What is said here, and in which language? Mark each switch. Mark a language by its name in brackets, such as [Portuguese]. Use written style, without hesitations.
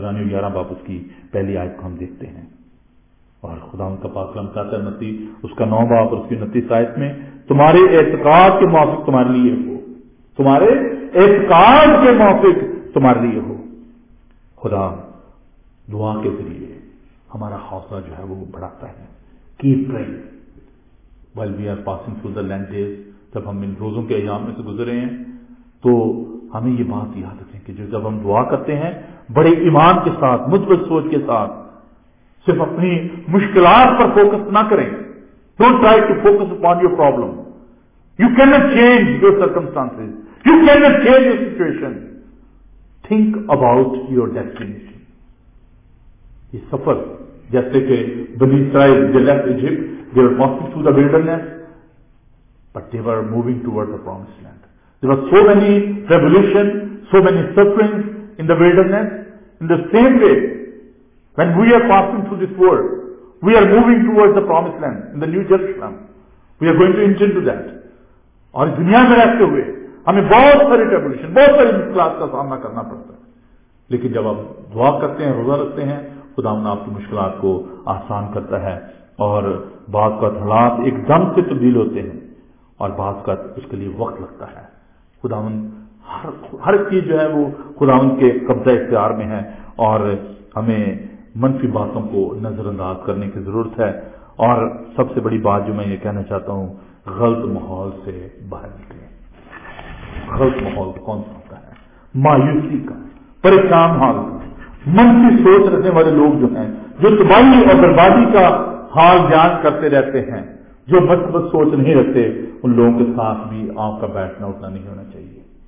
[Urdu] عبرانیوں 11 باب اس کی پہلی آیت کو ہم دیکھتے ہیں. اور خدا ان کا پاکلام کہتا ہے متی اس کا 9 باب اور اس کی 29 آیت میں, تمہارے اعتقاد کے موافق تمہارے لیے ہو, تمہارے اعتقاد کے موافق تمہارے لیے ہو. خدا دعا کے ذریعے ہمارا حوصلہ جو ہے وہ بڑھاتا ہے. [English] Keep pray while we are passing through the lengths. [Urdu] جب ہم ان روزوں کے ایام میں سے گزر رہے ہیں تو ہمیں یہ بات یاد رکھیں کہ جب ہم دعا کرتے ہیں بڑے ایمان کے ساتھ, مثبت سوچ کے ساتھ, صرف اپنی مشکلات پر فوکس نہ کریں. [English] Don't try to focus upon your problem. You can not change your circumstances, you can not change your situation. Think about your destination. [Urdu] یہ سفر جیسے کہ بنی اسرائیل [English] They left Egypt, they are walking through the wilderness, but they are moving toward the promise land. There were so many revolutions, so many sufferings in the wilderness. In the same way, when we are passing through this world, we are moving towards the promised land, in the New Jerusalem. We are going to enter into that. Or in the world, we have to do a lot of revolution, a lot of class. [Urdu] لیکن جب آپ دعا کرتے ہیں روزہ رکھتے ہیں خداوند آپ کی مشکلات کو آسان کرتا ہے اور بعض کا حالات ایک دم سے تبدیل ہوتے ہیں اور بعض کا اس کے لیے وقت لگتا ہے خداوند ہر چیز جو ہے وہ خداوند کے قبضہ اختیار میں ہے اور ہمیں منفی باتوں کو نظر انداز کرنے کی ضرورت ہے اور سب سے بڑی بات جو میں یہ کہنا چاہتا ہوں غلط ماحول سے باہر نکلیں غلط ماحول کون سا ہوتا ہے مایوسی کا پریشان حال منفی سوچ رکھنے والے لوگ جو ہیں جو تباہی اور بربادی کا حال بیان کرتے رہتے ہیں جو مثبت سوچ نہیں رکھتے ان لوگوں کے ساتھ بھی آپ کا بیٹھنا اٹھنا نہیں ہونا چاہیے